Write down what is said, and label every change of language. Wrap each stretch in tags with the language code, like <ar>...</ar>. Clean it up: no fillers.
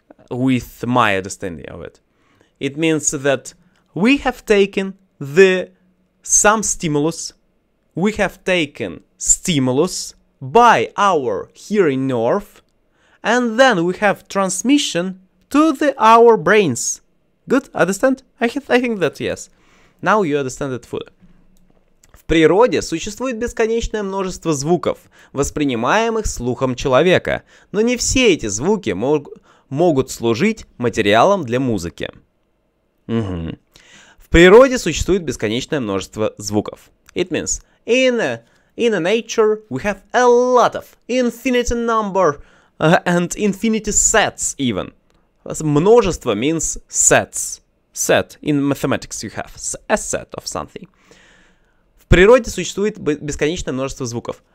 <en>With my understanding of it. It means that we have taken the... some stimulus. We have taken stimulus by our hearing nerve. And then we have transmission to the our brains. Good? Understand? I think that yes. Now you understand it fully.</en> <ru>В природе существует бесконечное множество звуков, воспринимаемых слухом человека, но не все эти звуки могут служить материалом для музыки. Угу. В природе существует бесконечное множество звуков.</ru> <en>It means, in a nature we have a lot of, infinite number, and infinity sets even. Множество means sets. Set, in mathematics you have a set of something.</en> <ru>В природе существует бесконечное множество звуков.</ru>